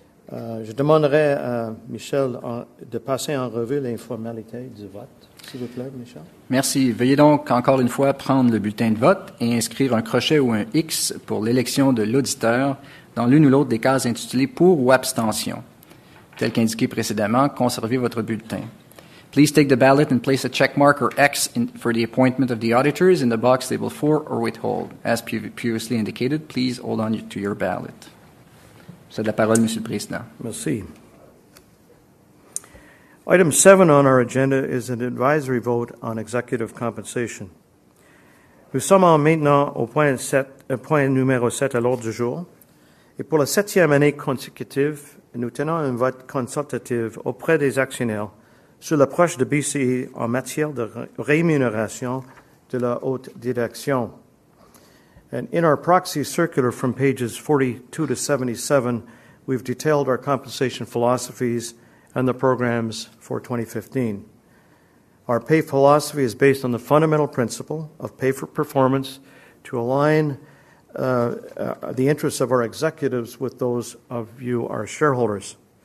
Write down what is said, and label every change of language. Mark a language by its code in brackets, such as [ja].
[fr] Je demanderai à Michel de passer en revue les formalités du vote. S'il vous plaît, Michel. Merci. Veuillez donc, encore une fois, prendre le bulletin de vote et inscrire un crochet ou un X pour l'élection de l'auditeur dans l'une ou l'autre des cases intitulées « pour » ou « abstention ». Tel qu'indiqué précédemment, conservez votre bulletin. [en] Please take the ballot and place a check mark or X for the appointment of the auditors in the box labeled for or withhold. As previously indicated, please hold on to your ballot. [fr] C'est la parole, Monsieur le Président. Merci. [en] Item 7 on our agenda is an advisory vote on executive compensation. [fr] Nous sommes maintenant au point numéro 7 à l'ordre du jour. Et pour la septième année consécutive, nous tenons un vote consultatif auprès des actionnaires sur l'approche de BCE en matière de rémunération de la haute direction. [en] And in our proxy circular from pages 42 to 77, we've detailed our compensation philosophies and the programs for 2015. Our pay philosophy is based on the fundamental principle of pay for performance to align the interests of our executives with those of you, our shareholders.